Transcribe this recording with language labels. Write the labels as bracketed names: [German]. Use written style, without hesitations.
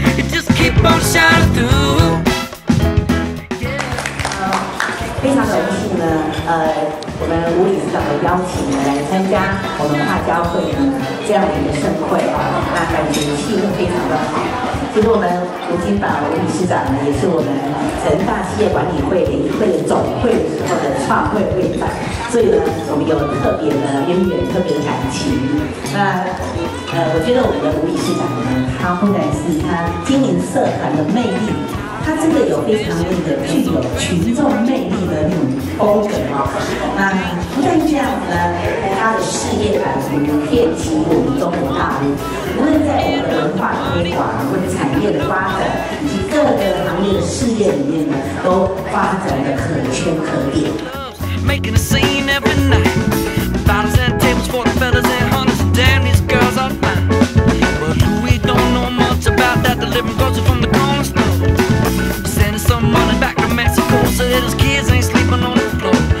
[English] Just keep on shining through. [Chinese] 非常荣幸呢，我们吴理事长的邀请呢，来参加我们化交会呢这样的一个盛会啊，那感觉气氛非常的好。其实我们吴金宝吴理事长呢，也是我们成大企业管理会联谊会的总会的时候的创会会长，所以呢，我们有特别的渊源，特别的感情。那我觉得我们的吴理事长呢，他不但是他经营社团的魅力，他真的有非常那个具有群众魅力的那种风格啊。那不但这样子呢，他的事业版图遍及我们中国大陆，无论在我们的文化推广或者产业的发展，以及各个行业的事业里面呢，都发展的可圈可点。 [English] Making a scene every night. Bottles and tables for the fellas and hunters. Damn, these girls are fine. But who we don't know much about that the living goes from the cornerstone. Sending some money back to Mexico so that his kids ain't sleeping on the floor.